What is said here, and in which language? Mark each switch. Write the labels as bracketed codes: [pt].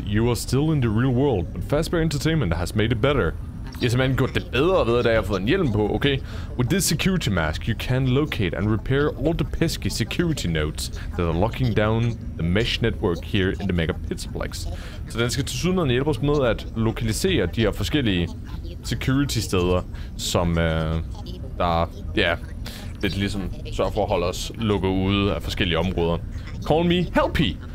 [en] You are still in the real world, but Fazbear Entertainment has made it better. [da] Jeg har simpelthen gjort det bedre ved, at jeg har fået en hjelm på, okay? [en] With this security mask, you can locate and repair all the pesky security nodes that are locking down the mesh network here in the Megapixelplex. [da] Så den skal tilsyneladende hjælpe os med at lokalisere de her forskellige security steder, som der, ja, lidt ligesom sørger for at holde os lukket ude af forskellige områder. [en] Call me Helpy!